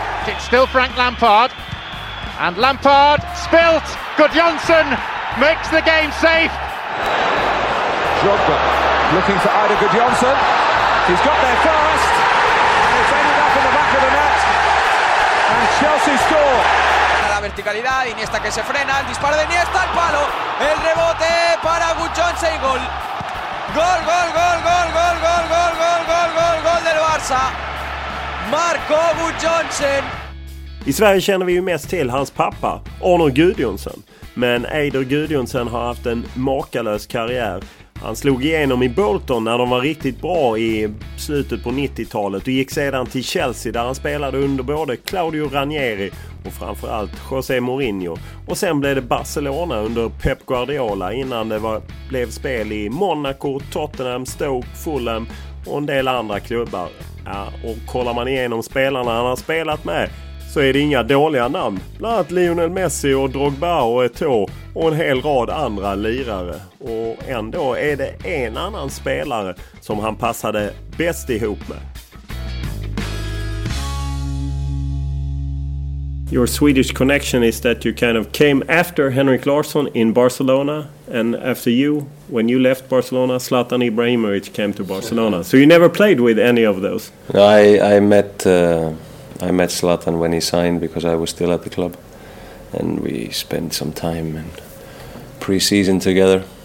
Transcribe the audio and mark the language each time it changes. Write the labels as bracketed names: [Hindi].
[English] It's still Frank Lampard. And Lampard spilt. Gudjonsson makes the game safe. Drogba looking for Ida Gudjonsson. He's got there first. And it's ended up in the back of the net. And Chelsea score. [Spanish] Verticalidad, Iniesta que se frena, el disparo de Iniesta al palo, el rebote para Gudjonsson y gol. Gol, gol, gol, gol, gol, gol, gol, gol, gol, gol, gol del Barça. Marco Gudjonsson. [Swedish] I Sverige känner vi ju mest till hans pappa, Arnór Gudjonsson. Men Eider Gudjonsson har haft en makalös karriär. Han slog igenom i Bolton när de var riktigt bra i slutet på 90-talet och gick sedan till Chelsea där han spelade under både Claudio Ranieri och framförallt José Mourinho. Och sen blev det Barcelona under Pep Guardiola innan det var, blev spel i Monaco, Tottenham, Stoke, Fulham och en del andra klubbar. Ja, och kollar man igenom spelarna han har spelat med så är det inga dåliga namn. Bland annat Lionel Messi och Drogba och Eto'o och en hel rad andra lirare. Och ändå är det en annan spelare som han passade bäst ihop med. [English] Your Swedish connection is that you kind of came after Henrik Larsson in Barcelona and after you, when you left Barcelona, Zlatan Ibrahimovic came to Barcelona. So you never played with any of those? I met Zlatan when he signed because I was still at the club and we spent some time in pre-season together.